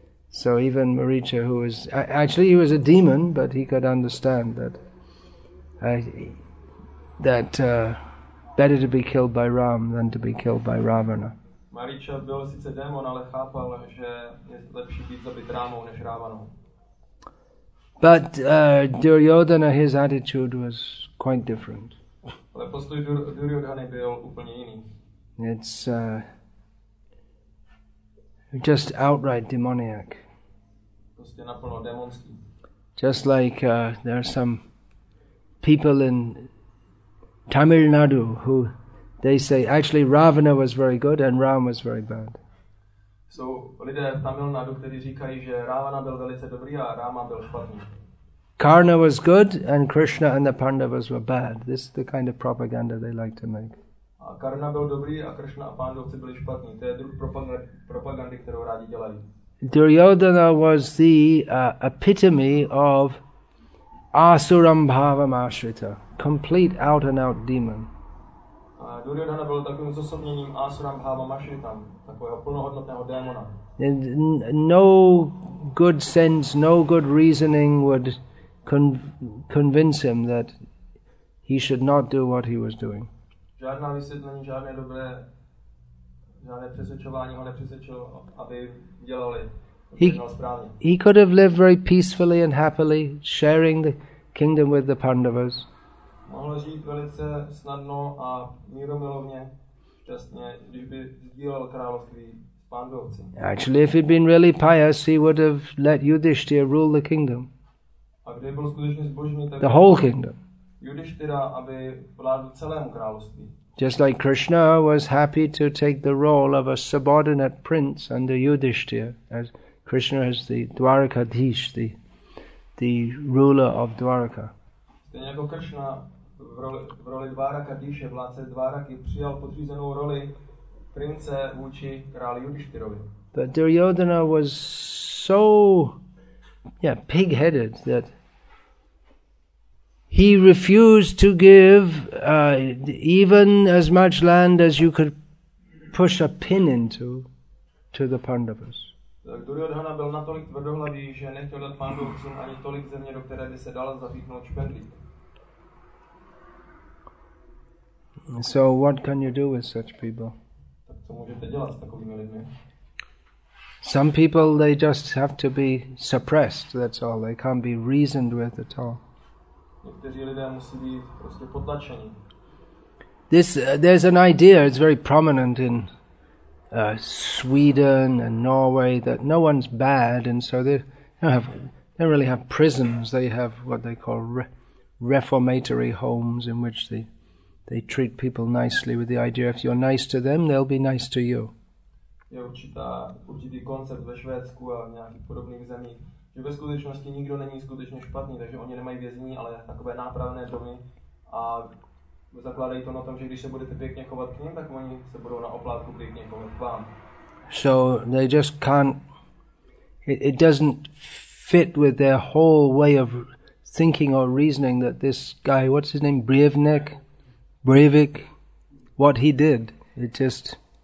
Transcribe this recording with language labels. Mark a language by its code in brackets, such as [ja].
[en] So even Maricha, who was actually he was a demon, but he could understand that. Better to be killed by Ram than to be killed by Ravana. [cs] Marichi byl sice démon, ale chápal, že je lepší být zabit Rámou než Ravanou. [en] But Duryodhana, his attitude was quite different. [cs] Ale postoj Duryodhany byl úplně jiný. [en] It's just outright demoniac. [cs] Prostě naplno démonský. [en] Just like there are some people in Tamil Nadu, who they say actually Ravana was very good and Ram was very bad. [cs] So, lidé v Tamil Nadu, kteří říkají, že Ravana byl velice dobrý a Rama byl špatný. [en] Karna was good and Krishna and the Pandavas were bad. This is the kind of propaganda they like to make. [cs] A Karna byl dobrý a Krishna a Pandavci byli špatní. To je druh propagandy, kterou rádi dělají. [en] Duryodhana was the epitome of Asuram Bhavam Ashrita, complete out and out demon. [cs] Duryodhana byl takovým zosobněním Asuram Bhavam Ashritam, takového plnohodnotného démona. [en] No good sense, no good reasoning would convince him that he should not do what he was doing. [cs] Žádná vysvětlení, žádné dobré, žádné přesvědčování ho nepřesvědčilo, aby dělali. [en] He could have lived very peacefully and happily, sharing the kingdom with the Pandavas. [cs] Mohl žít velice snadno a míromilovně, šťastně, když by sdílel království s Pandavci. [en] Actually, if he'd been really pious, he would have let Yudhishthira rule the kingdom. [cs] A kdyby byl skutečně zbožný, tak [en] the whole kingdom. [cs] Yudhishthira, aby vládl celému království. [en] Just like Krishna was happy to take the role of a subordinate prince under Yudhishthira, as Krishna is the Dwarakadhish, the ruler of Dwaraka. [cs] Stejně jako Krishna v roli Dwarakadhishe, vládce Dwaraky, přijal podřízenou roli prince vůči králi Yudhishthirovi. [en] But Duryodhana was so pig-headed that he refused to give even as much land as you could push a pin into to the Pandavas. [cs] Tak Duryodhana byl natolik tvrdohlavý, že nechtěl dát Pandavcům ani tolik země, do které by se dalo zapíchnout špendlík. [en] So what can you do with such people? [cs] Tak co můžete dělat s takovými lidmi? [en] Some people, they just have to be suppressed, that's all. They can't be reasoned with at all. [cs] Někteří lidé musí být prostě potlačení. [en] There's an idea, it's very prominent in Sweden and Norway, that no one's bad, and so they don't really have prisons. They have what they call reformatory homes, in which they treat people nicely, with the idea if you're nice to them, they'll be nice to you. [cs] Je určitý koncept ve Švédsku a nějakých podobných zemích, že ve skutečnosti nikdo není skutečně špatný, takže oni nemají vězení, ale takové nápravné domy a zakládají to na tom, že když se budete pěkně chovat k ním, tak oni se budou na oplátku pěkně chovat k vám. [en] So they just can't, it doesn't fit with their whole way of thinking or reasoning that this guy, what's his name, Breivik, what he did, it just...